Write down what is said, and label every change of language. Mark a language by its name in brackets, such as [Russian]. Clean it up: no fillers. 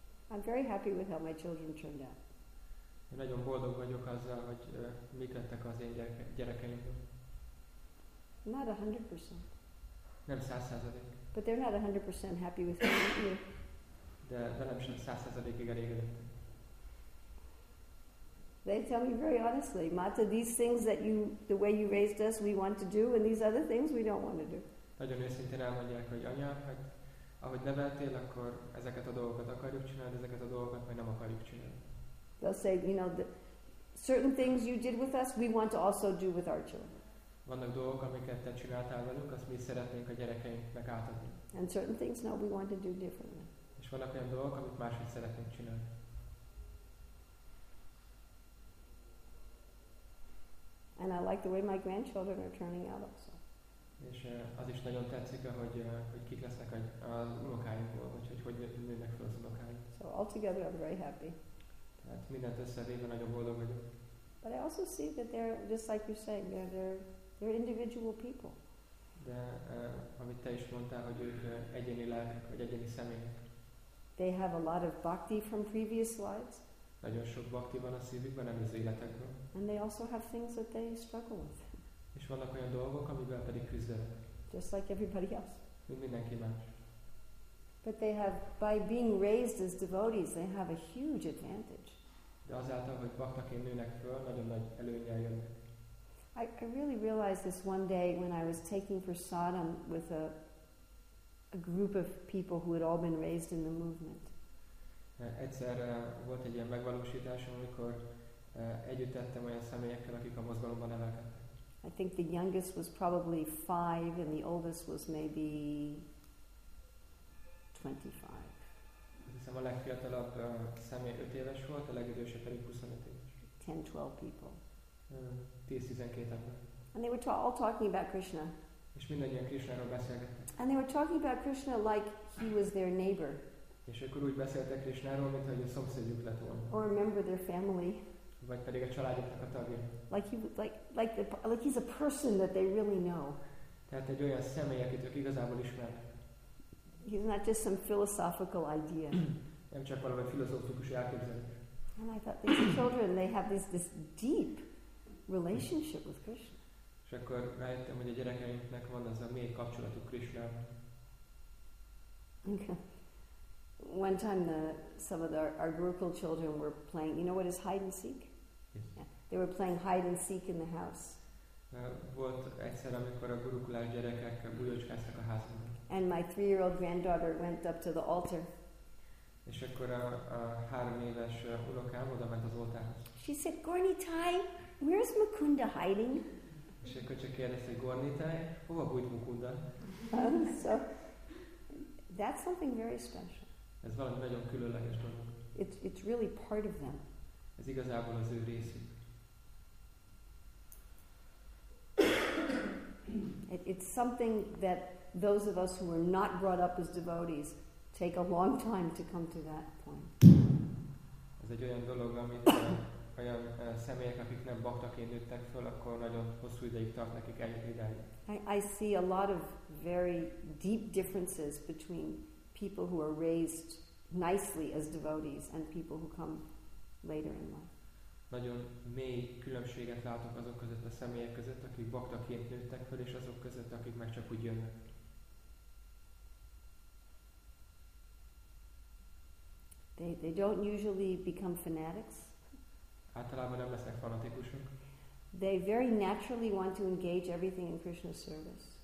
[English] I'm very happy with how my children turned out. [Hungarian] Én nagyon boldog vagyok azzal, hogy mik lettek az én gyerekeim. [English] Not 100%. [Hungarian] Nem 100%. [English] But they're not 100% happy with me either. [Hungarian] De velem sem 100%-ig elégedett. [English] They tell me very honestly, Mata, these things that you, the way you raised us, we want to do, and these other things we don't want to do. [Hungarian] Nagyon őszintén elmondják, hogy anya, hát, ahogy neveltél, akkor ezeket a dolgokat akarjuk csinálni, ezeket a dolgokat majd nem akarjuk csinálni. [English] They'll say, you know, the certain things you did with us, we want to also do with our children. [Hungarian] Vannak dolgok, amiket te csináltál velünk, azt mi szeretnénk a gyerekeinknek átadni. [English] And certain things, no, we want to do differently. [Hungarian] És vannak olyan dolgok, amit máshogy szeretnénk csinálni. [English] And I like the way my grandchildren are turning out also. [Hungarian] És az is nagyon tetszik, hogy hogy kik lesznek az unokáinkból, vagy hogy hogy nőnek fel az unokáink. [English] So altogether I'm very happy. [Hungarian] Tehát mindent összevéve nagyon boldog vagyok. [English] But I also see that they're just like you're saying, they're individual people. [Hungarian] De amit te is mondtál, hogy ők egyéni lelkek, vagy egyéni személyek. [English] They have a lot of bhakti from previous lives. [Hungarian] Nagyon sok bhakti van a szívükben, nem az életekben. [English] And they also have things that they struggle with. [Hungarian] És vannak olyan dolgok, amivel pedig küzdenek. [English] Just like everybody else. [Hungarian] Mint mindenki más. [English] But they have, by being raised as devotees, they have a huge advantage. [Hungarian] De azáltal, hogy baktaként nőnek föl, nagyon nagy előnnyel jönnek. [English] I really realized this one day when I was taking prasadam with a group of people who had all been raised in the movement. [Hungarian] Egyszer volt egy ilyen megvalósításom, amikor együtt ettem olyan személyekkel, akik a mozgalomban nevelkedtek. [English] I think the youngest was probably 5 and the oldest was maybe 25. [Hungarian] Hiszem, a legfiatalabb személy 5 éves volt, a legidősebb pedig 25 éves. [English] 10-12 people. [Hungarian] 10-12 ember. [English] And they were all talking about Krishna. [Hungarian] És mindannyian Krishnáról beszélgettek. [English] And they were talking about Krishna like he was their neighbor. [Hungarian] És akkor úgy beszéltek Krishnáról, mintha a szomszédjuk lett volna. [English] Or a member of their family. [Hungarian] Vagy pedig a családjuknak a tagja. [English] Like he's a person that they really know. [Hungarian] Tehát egy olyan személy, akit ők igazából ismernek. [English] He's not just some philosophical idea. [Hungarian] Nem csak valami filozófikus elképzelés. [English] And I thought these children, they have this deep relationship with Krishna. [Hungarian] És akkor rájöttem, hogy a gyerekeinknek van ez a mély kapcsolatuk Krishnával. [English] Okay. One time some of our Gurukul children were playing. You know what is hide and seek? Yes. Yeah. They were playing hide and seek in the house. [Hungarian] Volt egyszer, amikor a gurukulás gyerekek bujócskáztak a házban. [English] And my 3-year-old granddaughter went up to the altar. [Hungarian] És akkor a 3 éves unokám oda ment az oltárhoz. [English] She said, "Gornitai, where's Mukunda hiding?" [Hungarian] És akkor csak kérdezte, Gornitai, hova bújt Mukunda? [English] So that's something very special. [Hungarian] Ez valami nagyon különleges dolog. [English] It's really part of them. [Hungarian] Ez igazából az ő részük. [English] It's something that those of us who were not brought up as devotees take a long time to come to that point. [Hungarian] Ez egy olyan dolog, amit olyan személyek, akik nem baktaként nőttek föl, akkor nagyon hosszú ideig tart nekik eljutni idáig. [English] I see a lot of very deep differences between people who are raised nicely as devotees and people who come later in life. [Hungarian] Nagyon mély különbséget látok azok között a személyek között, akik baktaként nőttek föl, és azok között, akik meg csak úgy jönnek. [English] They don't usually become fanatics. [Hungarian] Általában nem lesznek fanatikusok. [English] They very naturally want to engage everything in Krishna's service.